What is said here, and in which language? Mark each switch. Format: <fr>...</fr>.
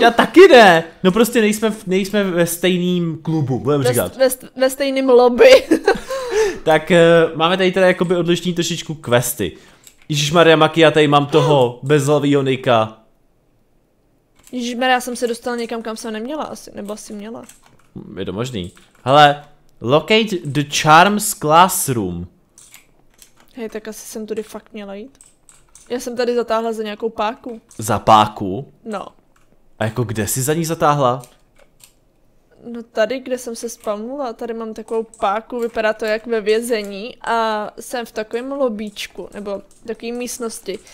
<cs>Já taky ne, no prostě nejsme ve stejným klubu, budeme říkat. Ve stejným lobby. Tak máme tady teda jakoby odlišní trošičku questy. Ježišmarja Maki, já tady mám toho bezhlavýho Nika. Ježišmarja, já jsem se dostala někam, kam jsem neměla asi, nebo asi měla. Je to možný.</cs> <en>Hele, locate the charms classroom.</en> <cs>Hej, tak asi jsem tady fakt měla jít. Já jsem tady zatáhla za nějakou páku. Za páku? No. A jako kde jsi za ní zatáhla? No tady, kde jsem se spamnula, tady mám takovou páku, vypadá to jak ve vězení a jsem v takovém lobíčku, nebo takové místnosti.</cs>